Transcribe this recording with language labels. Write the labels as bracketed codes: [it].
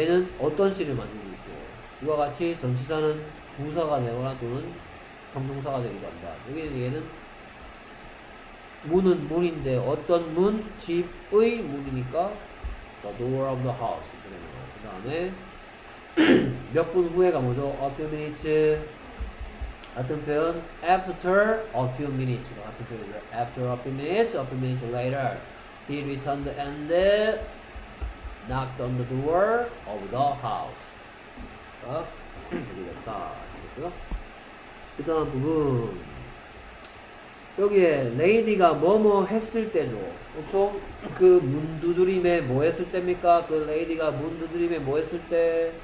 [ko] 얘는 어떤 시를 만들고 있죠. 이와 같이 전치사는 부사가 되거나 또는 형용사가 되기도 합니다. 여기는 얘는 문은 문인데 어떤 문? 집의 문이니까 [en] The door of the house. [ko] 그 다음에 몇 분 후에가 뭐죠? [en] A few minutes. [ko] 같은 표현 [en] After a few minutes. [ko] 같은 표현 [en] After a few minutes later He returned and knocked on the door of the house. [ko] 자, 드리겠다. 그 다음 부분 여기에 레이디가 뭐뭐 했을 때죠. 그쵸? 그 문 두드림에 뭐 했을 때입니까? 그 레이디가 문 두드림에 뭐 했을 때?